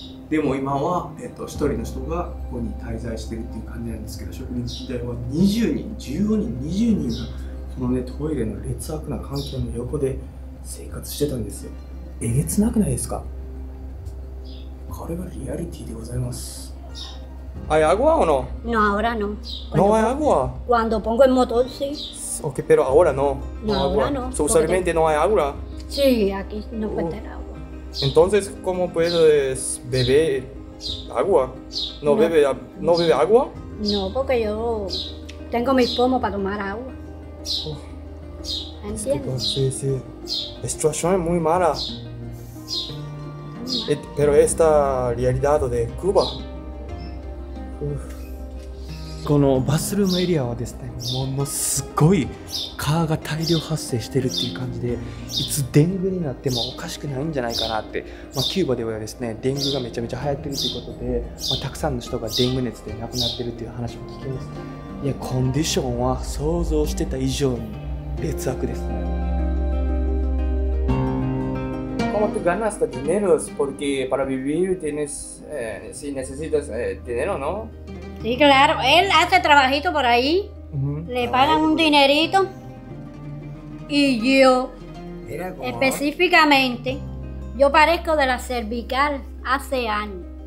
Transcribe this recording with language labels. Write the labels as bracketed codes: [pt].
[ja] でも今は、1人の人がここに滞在してるっていう感じなんですけど、植民地時代は15人20人がこのねトイレの劣悪な環境の横で生活してたんですよ。えげつなくないですか。これがリアリティでございます。 [es] ¿Hay agua o no? No, ahora no. No hay agua. Cuando pongo el motor, sí. Ok, pero ahora no. No, ahora no. So, usualmente no hay agua. Sí, aquí no falta agua. Entonces, ¿cómo puedes beber agua? ¿No, no. Bebe, no bebe agua? No, porque yo tengo mis pomos para tomar agua. ¿Entiendes? Sí, sí. La situación es muy mala. Pero esta realidad de Cuba. [ja] このバスルームエリアはですね、ものすごい蚊が大量発生してるっていう感じで、いつデングになってもおかしくないんじゃないかなって、まあ、キューバではですねデングがめちゃめちゃ流行ってるということで、まあ、たくさんの人がデング熱で亡くなってるっていう話も聞きます。いやコンディションは想像してた以上に劣悪です。 [es] ¿Cómo te ganas de dinero? Porque para vivir tienes, si necesitas dinero, ¿no? Sí, claro. Él hace trabajito por ahí, le pagan un dinerito y yo, específicamente, yo parezco de la cervical hace años.